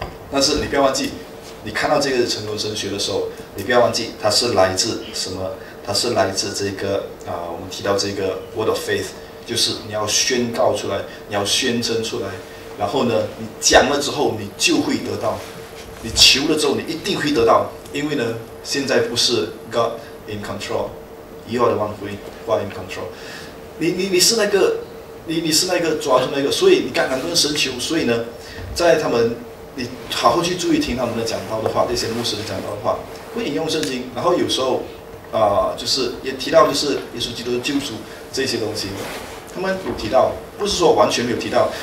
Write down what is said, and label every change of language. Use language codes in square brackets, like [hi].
[zh] 但是你不要忘记，你看到这个成功神学的时候，你不要忘记它是来自什么？它是来自这个我们提到这个 Word of Faith。就是你要宣告出来，你要宣称出来，然后呢，你讲了之后，你就会得到；你求了之后，你一定会得到。因为呢，现在不是 [en] God in control， you are the one who are in control。 [zh] 你是那个抓住那个，所以你刚刚跟神求，所以呢，在他们，你好好去注意听他们的讲道的话，那些牧师的讲道的话，会引用圣经，然后有时候就是也提到就是耶稣基督的救赎这些东西。他们有提到，不是说完全没有提到。